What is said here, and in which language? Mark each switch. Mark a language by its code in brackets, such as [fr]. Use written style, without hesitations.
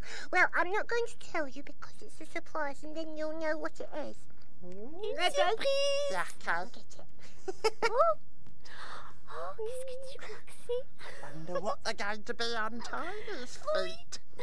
[en] Well, I'm not going to tell you because it's a surprise and then you'll know what it is. Ready? Surprise! Yeah, I'll get it. [fr] Oh, qu'est-ce que tu crois que c'est? [en] I wonder what they're going to be on Tyler's feet.